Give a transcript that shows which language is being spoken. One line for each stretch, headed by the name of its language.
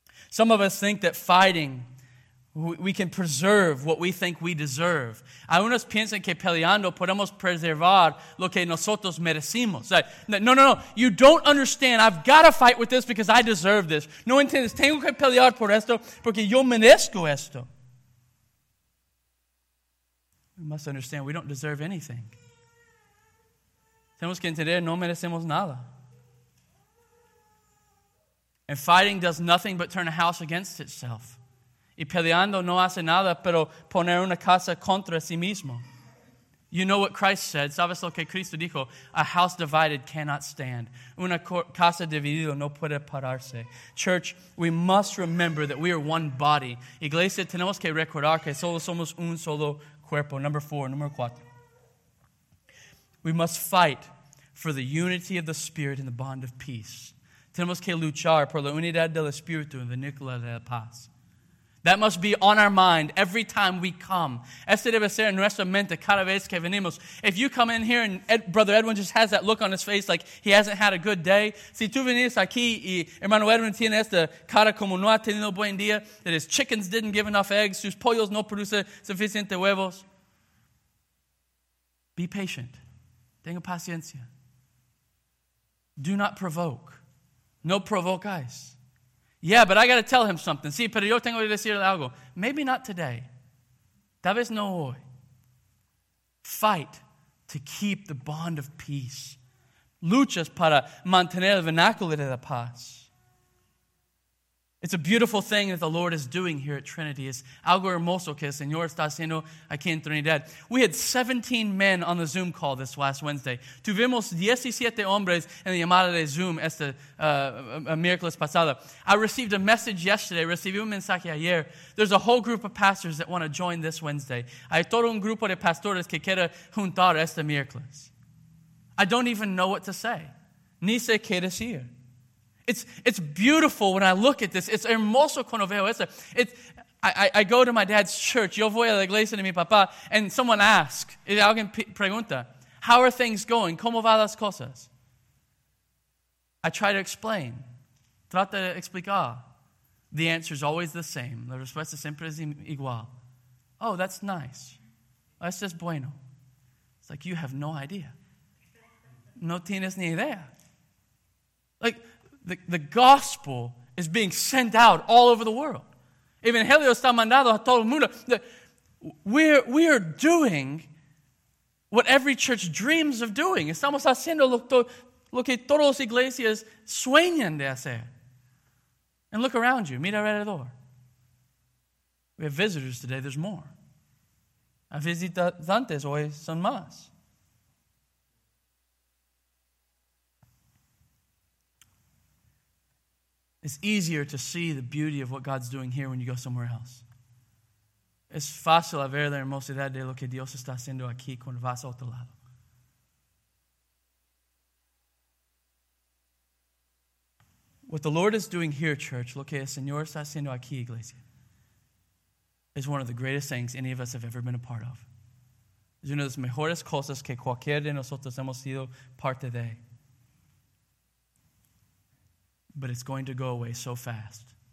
English: Some of us think that fighting, we can preserve what we think we deserve.
Spanish: Algunos piensan que peleando podemos preservar lo que nosotros merecimos.
English: No. You don't understand. I've got to fight with this because I deserve this.
Spanish: No entiendes. Tengo que pelear por esto porque yo merezco esto.
English: We must understand we don't deserve anything.
Spanish: Tenemos que entender no merecemos nada.
English: And fighting does nothing but turn a house against itself.
Spanish: Y peleando no hace nada, pero poner una casa contra sí mismo.
English: You know what Christ said.
Spanish: ¿Sabes lo que Cristo dijo?
English: A house divided cannot stand.
Spanish: Una casa dividida no puede pararse.
English: Church, we must remember that we are one body.
Spanish: Iglesia, tenemos que recordar que solo somos un solo cuerpo.
English: Number
Spanish: cuatro.
English: We must fight for the unity of the Spirit and the bond of peace.
Spanish: Tenemos que luchar por la unidad del Espíritu y la vínculo de la paz.
English: That must be on our mind every time we come.
Spanish: Este debe ser en nuestra mente cada vez que venimos.
English: If you come in here and Brother Edwin just has that look on his face like he hasn't had a good day.
Spanish: Si tú vienes aquí y hermano Edwin tiene esta cara como no ha tenido buen día,
English: that his chickens didn't give enough eggs,
Spanish: sus pollos no producen suficiente huevos.
English: Be patient.
Spanish: Tenga paciencia.
English: Do not provoke.
Spanish: No provocáis.
English: Yeah, but I got to tell him something.
Spanish: Sí, pero yo tengo que decirle algo.
English: Maybe not today.
Spanish: Tal vez no hoy.
English: Fight to keep the bond of peace.
Spanish: Luchas para mantener el vernáculo de la paz.
English: It's a beautiful thing that the Lord is doing here at Trinity.
Spanish: Es algo hermoso que el Señor está haciendo aquí en Trinidad.
English: We had 17 men on the Zoom call this last Wednesday.
Spanish: Tuvimos 17 hombres en la llamada de Zoom este miércoles pasado.
English: I received a message yesterday.
Spanish: Recibí un mensaje ayer.
English: There's a whole group of pastors that want to join this Wednesday.
Spanish: Hay todo un grupo de pastores que quiere juntar este miércoles.
English: I don't even know what to say.
Spanish: Ni sé qué decir.
English: It's beautiful when I look at this. It's
Spanish: hermoso cuando veo esto.
English: I go to my dad's church.
Spanish: Yo voy a la iglesia de mi papá.
English: And someone asks,
Spanish: alguien pregunta,
English: how are things going?
Spanish: ¿Cómo van las cosas?
English: I try to explain.
Spanish: Trata de explicar.
English: The answer is always the same.
Spanish: La respuesta siempre es igual.
English: Oh, that's nice.
Spanish: Eso es bueno.
English: It's like, you have no idea.
Spanish: No tienes ni idea.
English: Like, the gospel is being sent out all over the world.
Spanish: Evangelio está mandado a todo el mundo.
English: We are doing what every church dreams of doing.
Spanish: Estamos haciendo lo que todas las iglesias sueñan de hacer.
English: And look around you.
Spanish: Mira alrededor.
English: We have visitors today. There's more.
Spanish: A visitantes hoy son más.
English: It's easier to see the beauty of what God's doing here when you go somewhere else.
Spanish: Es fácil a ver la hermosidad de lo que Dios está haciendo aquí cuando vas a otro lado.
English: What the Lord is doing here, church,
Spanish: lo que el Señor está haciendo aquí, iglesia,
English: is one of the greatest things any of us have ever been a part of.
Spanish: Es una de las mejores cosas que cualquier de nosotros hemos sido parte de.
English: But it's going to go away so fast.